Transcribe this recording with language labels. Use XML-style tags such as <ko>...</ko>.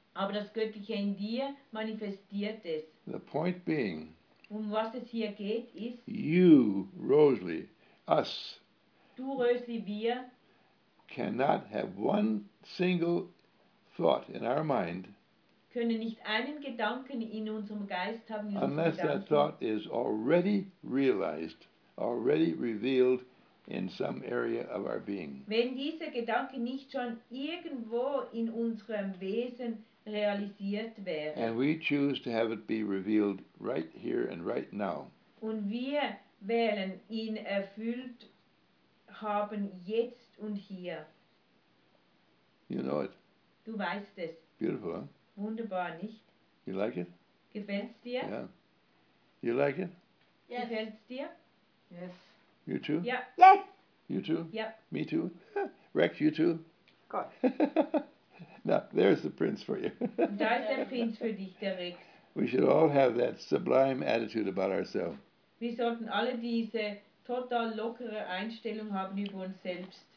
<de>Aber das Göttliche in dir manifestiert es.</de> <en>The point being,</en> <de>um was es hier geht, ist,</de> <en>you, Rosalie, us,</en> <de>du, Rosalie, wir,</de> <en>cannot have one single thought in our mind,</en> <de>können nicht einen Gedanken in unserem Geist haben,</de> <en>unless</en> <de>Gedanken,</de> <en>that thought is already realized, already revealed in some area of our being.</en> <de>Wenn dieser Gedanke nicht schon irgendwo in unserem Wesen realisiert wäre.</de> <en>And we choose to have it be revealed right here and right now.</en> <de>Und wir wählen ihn erfüllt haben jetzt und hier.</de> <en>You know it.</en> <de>Du weißt es.</de> <en>Beautiful, huh?</en> <de>Wunderbar, nicht?</de> <en>You like it?</en> <de>Gefällt's dir?</de> <en>Yeah. You like it? Yes.</en> <de>Gefällt's dir?</de> <en>Yes. You too? Yeah. Yes. You too? Yeah. Me too? Rex, you too? Good. Now, there's the prince for you.</en> <de>Da ist der Prinz für dich, der Rex.</de> <en>We should all have that sublime attitude about ourselves.</en> <de>Wir sollten alle diese total lockere Einstellung haben über uns selbst.</de>